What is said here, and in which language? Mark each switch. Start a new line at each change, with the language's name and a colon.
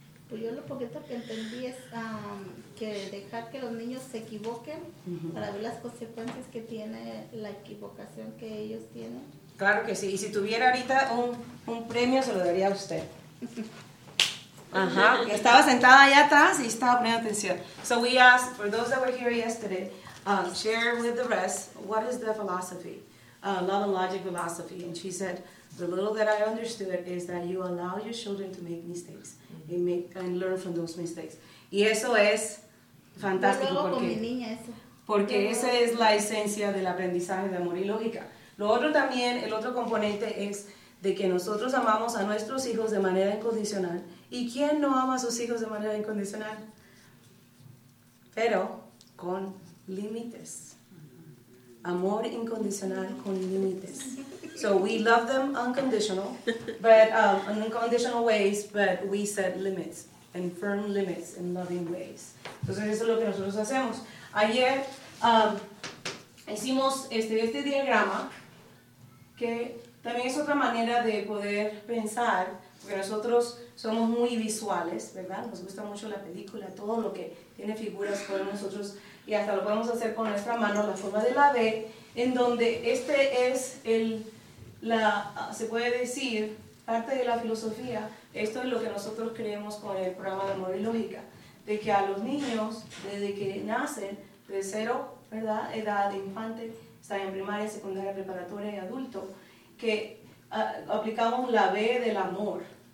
Spanish: Pues yo lo poquito que entendí es que dejar que los niños se equivoquen para ver las consecuencias que tiene la equivocación que ellos tienen. Claro que sí. Y si tuviera ahorita un premio, se lo daría a usted. Ajá. Y estaba sentada allá atrás y estaba poniendo atención.
English: So we asked, for those that were here yesterday, share with the rest, what is the philosophy? Love and logic philosophy. And she said, the little that I understood is that you allow your children to make mistakes and learn from those mistakes.
Spanish: Y eso es fantástico porque esa es la esencia del aprendizaje de amor y lógica. Lo otro también, el otro componente es de que nosotros amamos a nuestros hijos de manera incondicional. ¿Y quién no ama a sus hijos de manera incondicional? Pero con límites. Amor incondicional con límites.
English: So we love them unconditional, but in unconditional ways, but we set limits, and firm limits in loving ways.
Spanish: Entonces eso es lo que nosotros hacemos. Ayer hicimos este diagrama, que también es otra manera de poder pensar, porque nosotros somos muy visuales, ¿verdad? Nos gusta mucho la película, todo lo que tiene figuras con nosotros, y hasta lo podemos hacer con nuestra mano, la forma de la B, en donde este es se puede decir, parte de la filosofía, esto es lo que nosotros creemos con el programa de amor y lógica, de que a los niños, desde que nacen, de cero, ¿verdad?, edad de infante, está en primaria, secundaria, preparatoria y adulto, que aplicamos la B del amor.